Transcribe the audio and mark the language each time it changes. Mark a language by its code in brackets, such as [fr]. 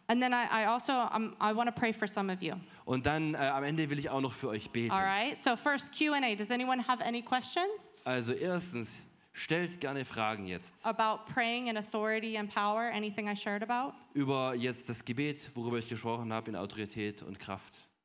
[en] And then I want to pray for some of you. [de] Und dann am Ende will ich auch noch für euch beten. [en] All right. So first Q&A. Does anyone have any questions? [de] Also erstens. Stellt gerne Fragen jetzt. [en] About praying and authority and power, anything I shared about? [de] Über jetzt das Gebet, worüber ich gesprochen habe, in Autorität und Kraft.